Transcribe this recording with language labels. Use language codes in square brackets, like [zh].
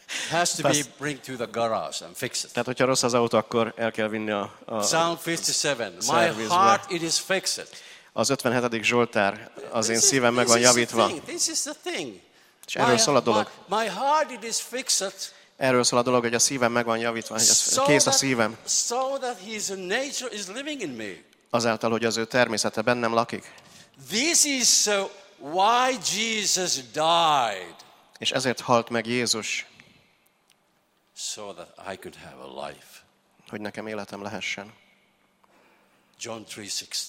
[en] Has to be bring to the garage and fix it. [hu] Tehát hogyha rossz az autó, akkor el kell vinni a [en] Psalm 57. My heart it is fixed. [hu] Az 57. Zsoltár, az én szívem meg van javítva. [en] This is the thing. [hu] És erről szól a dolog. [en] My heart it is fixed. [hu] Erről szól a dolog, hogy a szívem meg van javítva, hogy kész a szívem. [en] So that his nature is living in me. [hu] Azáltal, hogy az ő természete bennem lakik. [en] This is why Jesus died. [hu] És ezért halt meg Jézus. [en] So that I could have a life. [hu] Hogy nekem életem lehessen. [en] John 3:16.